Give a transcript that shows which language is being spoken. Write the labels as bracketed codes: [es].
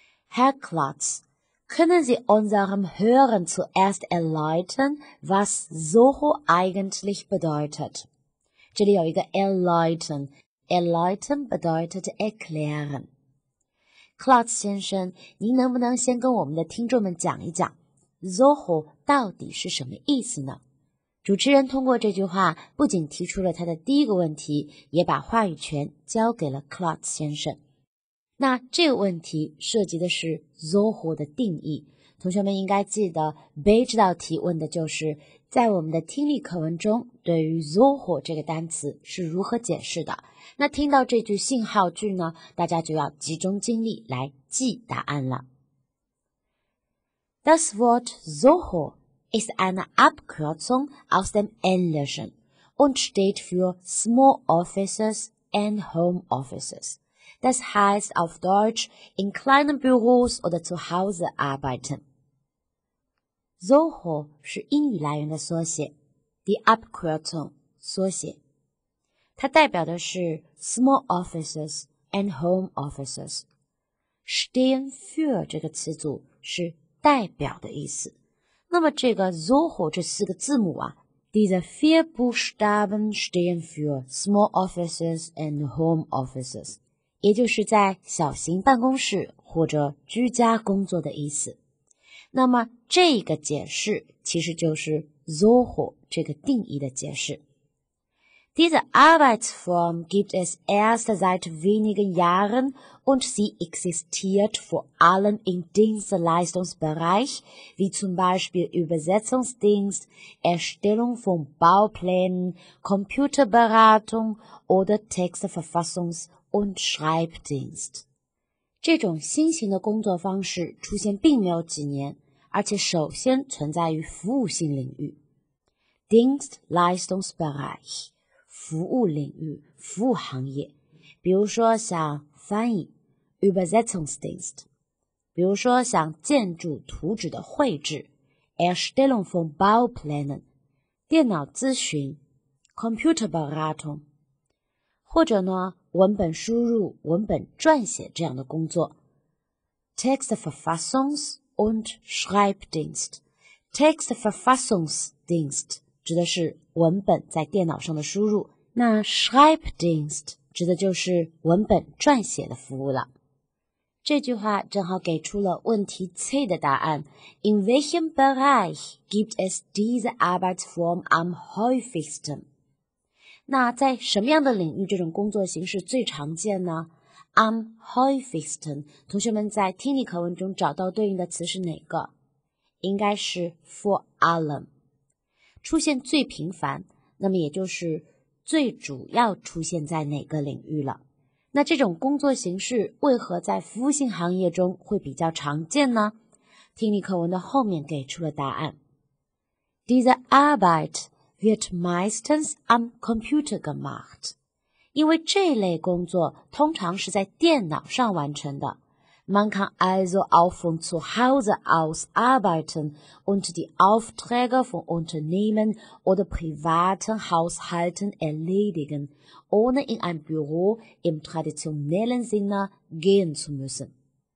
[de] Herr Klotz, können Sie unserem Hören zuerst erläutern, was SOHO eigentlich bedeutet? [zh] 这里有一个 [de] erläutern, erläutern bedeutet erklären。 [zh] Klotz 先生，您能不能先跟我们的听众们讲一讲 SOHO 到底是什么意思呢？主持人通过这句话不仅提出了他的第一个问题，也把话语权交给了 Klotz 先生。那这个问题涉及的是 SOHO 的定义。同学们应该记得 B 这道题问的就是在我们的听力课文中对于 SOHO 这个单词是如何解释的。那听到这句信号句呢，大家就要集中精力来记答案了。 [de] Das Wort SOHO ist eine Abkürzung aus dem Englischen und steht für Small Offices and Home Offices. Das heißt auf Deutsch in kleinen Büros oder zu Hause arbeiten. [zh] SOHO 是英语来源的缩写 ,the abkürzung 缩写。它代表的是 [en] small offices and home offices。 [zh] stehen für 这个词组是代表的意思。那么这个 SOHO 这四个字母啊 [de] ,diese vier Buchstaben stehen für [en] small offices and home offices。 [zh] 也就是在小型办公室或者居家工作的意思。那么这个解释其实就是 SOHO 这个定义的解释。 [de] Diese Arbeitsform gibt es erst seit wenigen Jahren und sie existiert vor allem im Dienstleistungsbereich, wie zum Beispiel Übersetzungsdienst, Erstellung von Bauplänen, Computerberatung oder Textverfassungs- und Schreibdienst. [zh] 这种新型的工作方式出现并没有几年。而且首先存在于服务性领域 [de] Dienstleistungsbereich [zh] 服务领域、服务行业，比如说像翻译 Übersetzungsdienst， 比如说像建筑图纸的绘制 [de] Erstellung von Bauplänen， [zh] 电脑咨询 Computerberatung， 或者呢文本输入、文本撰写这样的工作 [de] Textverfassungs und Schreibdienst。 [zh] Textverfassungsdienst 指的是文本在电脑上的输入，那 Schreibdienst 指的就是文本撰写的服务了。这句话正好给出了问题 C 的答案。 [de] In welchem Bereich gibt es diese Arbeitsform am häufigsten？ [zh] 那在什么样的领域这种工作形式最常见呢？ Am häufigsten， 同学们在听力课文中找到对应的词是哪个？应该是 vor allem， 出现最频繁，那么也就是最主要出现在哪个领域了。那这种工作形式为何在服务性行业中会比较常见呢？听力课文的后面给出了答案。 [de] Diese Arbeit wird meistens am Computer gemacht， [zh] 因为这类工作通常是在电脑上完成的。 [de] Man kann also auch von zu Hause aus arbeiten und die Aufträge von Unternehmen oder privaten Haushalten erledigen, ohne in ein Büro im traditionellen Sinne gehen zu müssen。